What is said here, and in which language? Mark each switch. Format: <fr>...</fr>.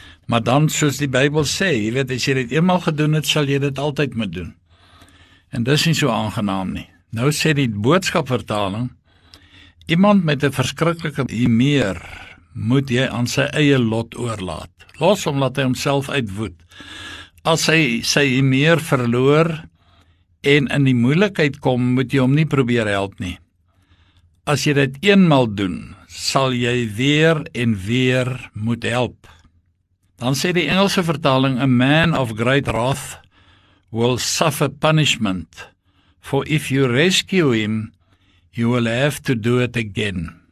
<af>Maar dan, soos die Bybel sê, jy weet, as jy dit eenmaal gedoen het, sal jy dit altyd moet doen. En dis nie so aangenaam nie. Nou sê die boodskapvertaling, iemand met 'n verskriklike humeur, moet jy aan sy eie lot oorlaat. Los hom, laat hy homself uitwoed. As hy sy humeur verloor en in die moeilikheid kom, moet jy hom nie probeer help nie. As jy dit eenmal doen, sal jy weer en weer moet help. Dan sê die Engelse vertaling,</af> <en>A man of great wrath will suffer punishment, for if you rescue him, you will have to do it again.</en>